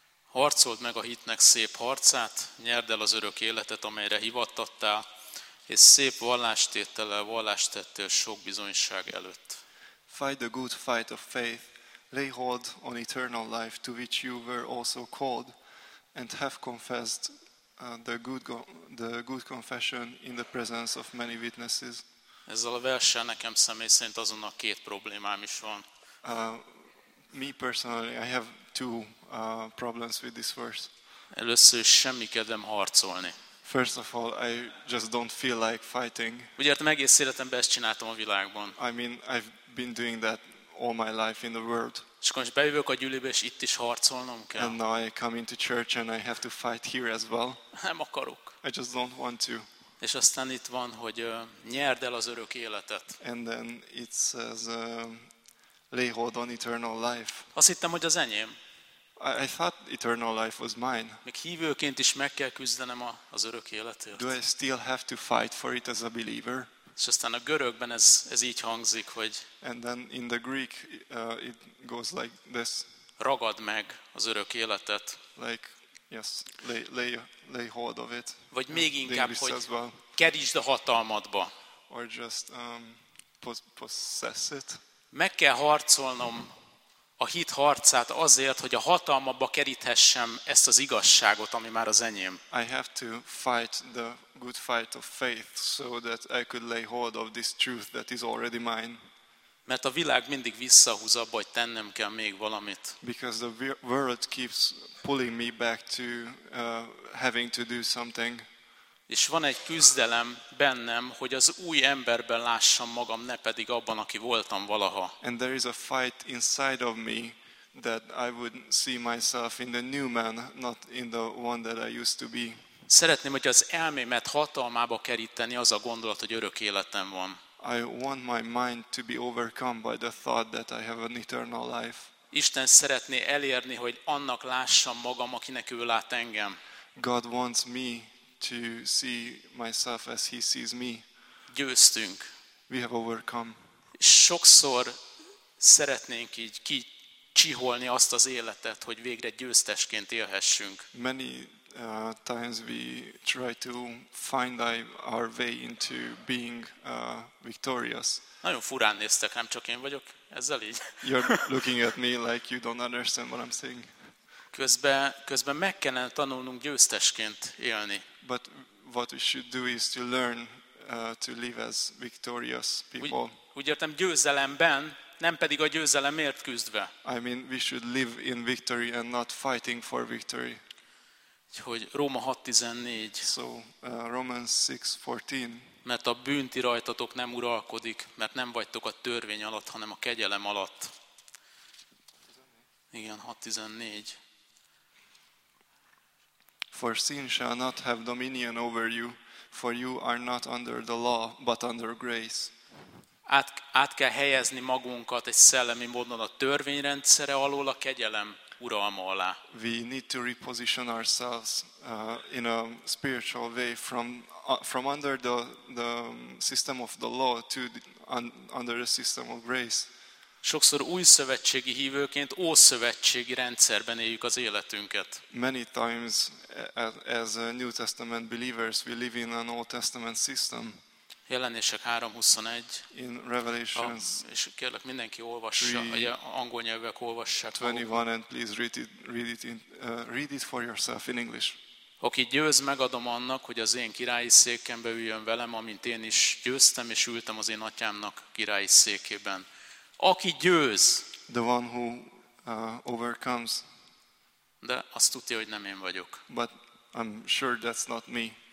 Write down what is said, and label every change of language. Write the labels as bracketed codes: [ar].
[hu] Harcold meg a hitnek szép harcát, nyerd el az örök életet, amelyre hivattattál, és szép vallástétellel vallást tettél sok bizonyság előtt. [en] Fight the good fight of faith, lay hold on eternal life to which you were also called, and have confessed the good confession in the presence of many witnesses. [hu] Ezzel a verssel nekem személy szerint azonnal két problémám is van. [en] Me personally, I have two problems with this verse. [hu] Először is semmi kedvem harcolni. [en] First of all, I just don't feel like fighting. [hu] Úgy értem, egész életemben ezt csináltam a világban. [en] I mean, I've been doing that all my life in the world. [hu] És akkor most bejövök a gyűlőbe, és itt is harcolnom kell. [en] And now I come into church and I have to fight here as well. [hu] Nem akarok. [en] I just don't want to. [hu] És aztán itt van, hogy nyerd el az örök életet. [en] And then it says, lay hold on eternal life. [hu] Azt hittem, hogy az enyém. [en] I thought eternal life was mine. [hu] Még hívőként is meg kell küzdenem az örök életért. [en] Do I still have to fight for it as a believer? [hu] És aztán a görögben ez így hangzik, hogy [en] and then in the Greek it goes like this. [hu] Ragad meg az örök életet. [en] Like, yes, lay hold of it. [hu] Vagy még inkább, hogy kerítsd a hatalmadba. [en] Or just possess it. [hu] Meg kell harcolnom a hit harcát azért, hogy a hatalmabba keríthessem ezt az igazságot, ami már az enyém. [en] I have to fight the good fight of faith so that I could lay hold of this truth that is already mine. [hu] Mert a világ mindig visszahúz abba, hogy tennem kell még valamit. [en] Because the world keeps pulling me back to having to do something. [hu] És van egy küzdelem bennem, hogy az új emberben lássam magam, ne pedig abban, aki voltam valaha. [en] And there is a fight inside of me that I would see myself in the new man, not in the one that I used to be. [hu] Szeretném, hogy az elmémet hatalmába keríteni az a gondolat, hogy örök életem van. [en] I want my mind to be overcome by the thought that I have an eternal life. [hu] Isten szeretné elérni, hogy annak lássam magam, akinek ő lát engem. [en] God wants me to see myself as he sees me. [hu] Győztünk. [en] We have overcome. [hu] Sokszor szeretnénk így kicsiholni azt az életet, hogy végre győztesként élhessünk. [en] Many times we try to find our way into being victorious. [hu] Nagyon furán néztek, nem csak én vagyok ezzel így. [en] You're looking at me like you don't understand what I'm saying. [hu] Közben meg kellene tanulnunk győztesként élni. [en] But what we should do is to learn to live as victorious people. [hu] Úgy értem, győzelemben, nem pedig a győzelemért küzdve. [en] I mean, we should live in victory and not fighting for victory. [hu] Úgyhogy Róma 6:14. [en] So Romans 6:14. [hu] Mert a bűn ti rajtatok nem uralkodik, mert nem vagytok a törvény alatt, hanem a kegyelem alatt. Igen, 6:14. [en] For sin shall not have dominion over you, for you are not under the law, but under grace. [hu] Át kell helyezni magunkat egy szellemi módon a törvényrendszere alól a kegyelem uralma alá. [en] We need to reposition ourselves in a spiritual way from under the system of the law to under the system of grace. [hu] Sokszor új szövetségi hívőként ószövetségi rendszerben éljük az életünket. [en] Many times as New Testament believers we live in an Old Testament system. [hu] Jelenések 3:21. [en] In Revelation. [hu] És kérlek mindenki olvassa, ugye angol nyelvűek olvassák. [en] 21 and please read it for yourself in English. [hu] Aki győz, megadom annak, hogy az én királyi székembe üljön velem, amint én is győztem és ültem az én atyámnak királyi székében. Aki győz. [en] The one who overcomes. [hu] De azt tudja, hogy nem én vagyok. [en] But I'm sure that's not me.